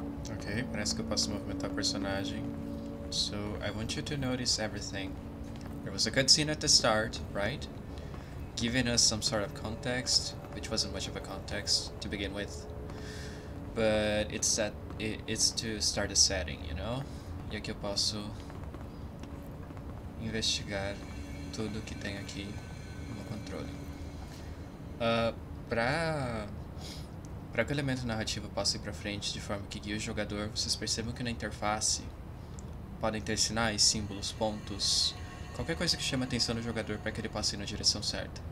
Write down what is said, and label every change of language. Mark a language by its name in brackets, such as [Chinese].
[Portuguese] Ok, parece que eu posso movimentar o personagem. [English] So, I want you to notice everything. There was a cutscene at the start, right? Giving us some sort of context, which wasn't much of a context to begin with. but it's set it's to start a setting, you know? [Portuguese] E aqui eu posso investigar tudo que tem aqui no controle. Para que o elemento narrativo possa ir para frente de forma que guie o jogador, vocês percebam que na interface podem ter sinais, símbolos, pontos, qualquer coisa que chame a atenção do jogador para que ele possa ir na direção certa.